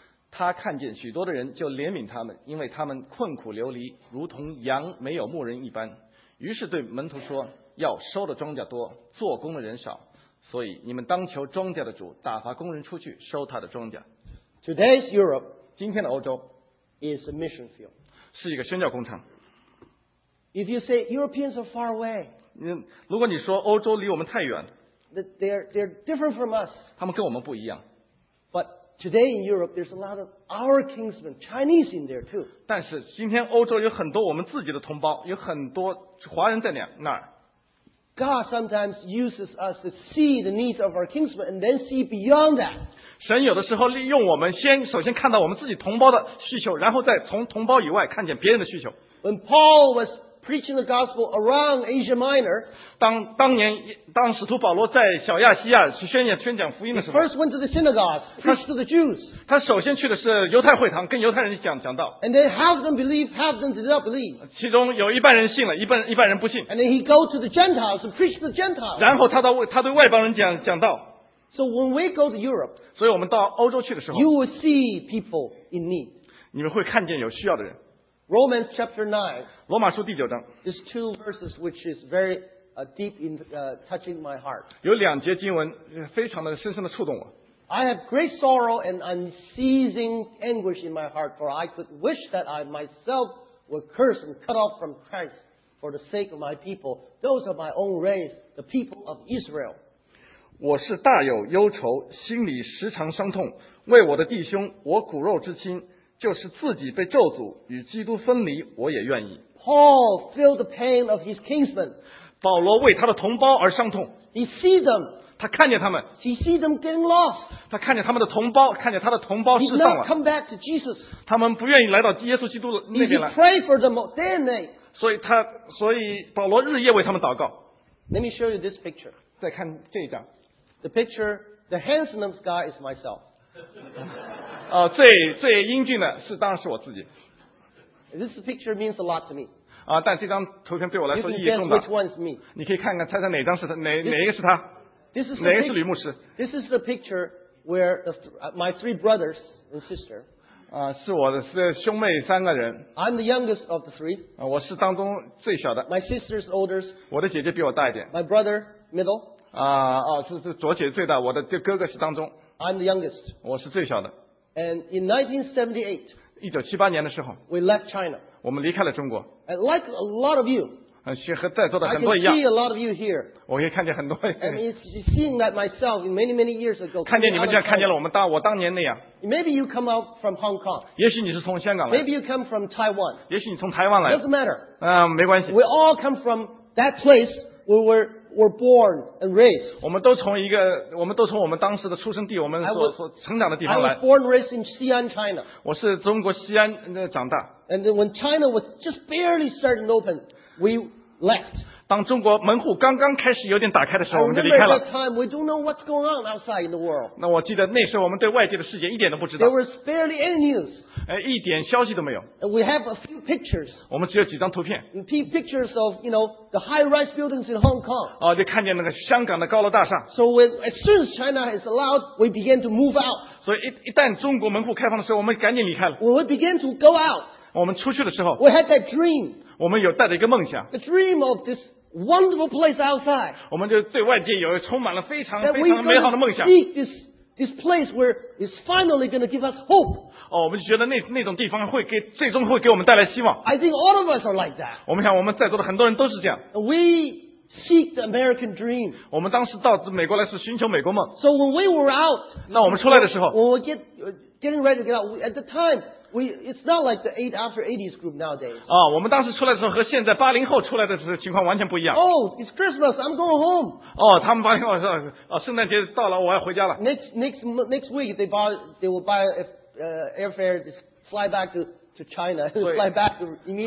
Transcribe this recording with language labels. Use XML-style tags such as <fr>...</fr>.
<zh>他看见许多的人就怜悯他们因为他们困苦流离如同羊没有牧人一般于是对门徒说要收的庄稼多做工的人少所以你们当求庄稼的主打发工人出去收他的庄稼</zh> <en>Today's Europe</en> <zh>今天的欧洲</zh> <en>is a mission field</en> <zh>是一个宣教工厂</zh> <en>If you say Europeans are far away</en> <zh>如果你说欧洲离我们太远</zh> <en>they're different from us</en> <zh>他们跟我们不一样</zh> <en>ButToday in Europe, there's a lot of our kinsmen, Chinese in there too.</en> <zh>但是今天欧洲有很多我们自己的同胞，有很多华人在那儿。</zh> <en>God sometimes uses us to see the needs of our kinsmen and then see beyond that.</en> <zh>神有的时候利用我们首先看到我们自己同胞的需求，然后再从同胞以外看见别人的需求。</zh> <en>When Paul was preaching the gospel around Asia Minor,</en> <zh>当使徒保罗在小亚细亚宣讲福音的时候</zh> <en>，He first went to the synagogues, preached to the Jews.</en> <zh>他首先去的是犹太会堂，跟犹太人讲道。</zh> <en>And then half them believed, half them did not believe.</en> <zh>其中有一半人信了，一半人不信。</zh> <en>And then he go to the Gentiles to preach to the Gentiles.</en> <zh>然后他对外邦人讲道。</zh> <en>So when we go to Europe,</en> <zh>所以我们到欧洲去的时候</zh> <en>，You will see people in need.</en> <zh>你们会看见有需要的人。</zh> <en>Romans chapter 9.</en> <zh>罗马书第九章</zh> <en>These two verses which is very deep in touching my heart.</en> <zh>有两节经文非常的深深的触动我</zh> <en>I have great sorrow and unceasing anguish in my heart for I could wish that I myself were cursed and cut off from Christ for the sake of my people, those of my own race, the people of Israel.</en> <zh>我是大有忧愁，心里时常伤痛，为我的弟兄，我骨肉之亲，就是自己被咒诅与基督分离，我也愿意。</zh> <en>Paul feels the pain of his kinsmen.</en> <zh>保罗为他的同胞而伤痛。</zh> <en>He sees them.</en> <zh>他看见他们。</zh> <en>He sees them getting lost.</en> <zh>他看见他们的同胞，看见他的同胞失丧了。</zh> <en>He did not come back to Jesus.</en> <zh>他们不愿意来到耶稣基督那边来。</zh> <en>He prayed for them day and night.</en> <zh>所以保罗日夜为他们祷告。</zh> <en>Let me show you this picture.</en> <zh>再看这一张。</zh> <en>The picture, the handsomest guy is myself.</en> <zh>最英俊的是当然是我自己。</zh> <en>This picture means a lot to me.</en> <zh>但这张图片对我来说意义重大。</zh> <en>You can guess which one's me.</en> <zh>你可以看看猜猜哪张是他，哪一个是他。</zh> <en>This is</en> <zh>哪一个是吕牧师。</zh> <en>This is the picture where my three brothers and sister.</en> <zh>是我的兄妹三个人。</zh> <en>I'm the youngest of the three.</en> <zh>我是当中最小的。</zh> <en>My sister's oldest.</en> <zh>我的姐姐比我大一点。</zh> <en>My brother, middle.</en> <zh>是左姐最大，我的哥哥是当中。</zh> <en>I'm the youngest.</en> <zh>我是最小的。</zh> <en>And in 1978,</en> <zh>1978年的时候</zh> <en>we left China.</en> <zh>我们离开了中国。</zh> <en>And like a lot of you,</en> <zh>和在座的很多一样</zh> <en>I can see a lot of you here.</en> <zh>我也看见很多</zh> <en>And it's seeing that myself many, many years ago,</en> <zh>看见你们就像看见了我当年那样。</zh> <en>Maybe you come out from Hong Kong.</en> <zh>也许你是从香港来。</zh> <en>Maybe you come from Taiwan.</en> <zh>也许你从台湾来。</zh> <en>Doesn't matter.</en> <zh>没关系。</zh> <en>We all come from that place where we're born and raised.</en> <zh>我们都从我们当时的出生地，我们所成长的地方来。</zh> <en>I was born and raised in Xi'an, China.</en> <zh>我是中国西安长大。</zh> <en>And then when China was just barely starting to open, we left.</en> <zh>当中国门户刚刚开始有点打开的时候，我们就离开了。</zh> <en>I remember that time we don't know what's going on outside in the world.</en> <zh>那我记得那时候我们对外界的世界一点都不知道。</zh> <en>There was barely any news.</en> <zh>一点消息都没有。</zh> <en>And we have a few pictures.</en> <zh>我们只有几张图片。</zh> <en>Pictures of, you know, the high-rise buildings in Hong Kong.</en> <zh>就看见那个香港的高楼大厦。</zh> <en>So as soon as China is allowed, we began to move out.</en> <zh>所以一旦中国门户开放的时候，我们赶紧离开了。</zh> <en>We began to go out.</en> <zh>我们出去的时候。</zh> <en>We had that dream.</en> <zh>我们有带着一个梦想。</zh> <en>The dream of this wonderful place outside.</en> <zh>我们就对外界有充满了非常非常美好的梦想。</zh> <en>That we seek this place where it's finally going to give us hope.</en> <zh>我们就觉得那种地方会给最终会给我们带来希望。</zh> <en>I think all of us are like that.</en> <zh>我们想我们在座的很多人都是这样。</zh> <en>We seek the American dream.</en> <zh>我们当时到美国来是寻求美国梦。</zh> <en>So when we were out,</en> <zh>那我们出来的时候</zh> <en>when we getting ready to get out, at the time,it's not like the eight after 80s group nowadays.</en> <zh>我们当时出来的时候和现在80后出来的情况完全不一样。</zh> <en>Oh, it's Christmas, I'm going home.</en> <zh>他们80后说圣诞节到了我要回家了。</zh> <en>Next week, they will buy airfare to fly back to China, fly back immediately.</en>